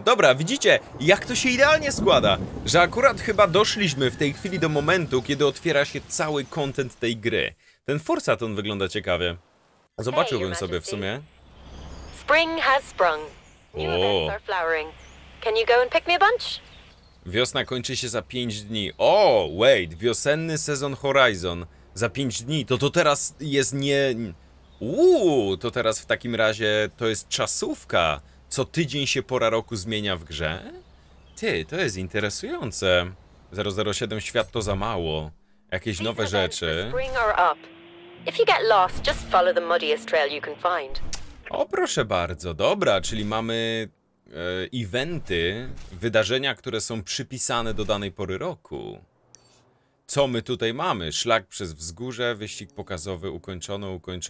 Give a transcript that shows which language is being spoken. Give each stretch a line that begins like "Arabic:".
Polish: Dobra, widzicie, jak to się idealnie składa, że akurat chyba doszliśmy w tej chwili do momentu, kiedy otwiera się cały content tej gry. Ten Forzathon wygląda ciekawie. Zobaczyłbym sobie w sumie.
English: Spring has sprung. New events are flowering. Can you go and pick me a bunch?
Polish: Wiosna kończy się za 5 dni. O, wiosenny sezon Horizon. Za 5 dni. To teraz jest nie... To teraz w takim razie to jest czasówka. Co tydzień się pora roku zmienia w grze? Ty, to jest interesujące. 007 świat to za mało. Jakieś nowe rzeczy.
English: If you get lost, just follow the muddiest trail you can find.
Polish: O, proszę bardzo, dobra, czyli mamy eventy, wydarzenia, które są przypisane do danej pory roku. Co my tutaj mamy? Szlak przez wzgórze, wyścig pokazowy, ukończono.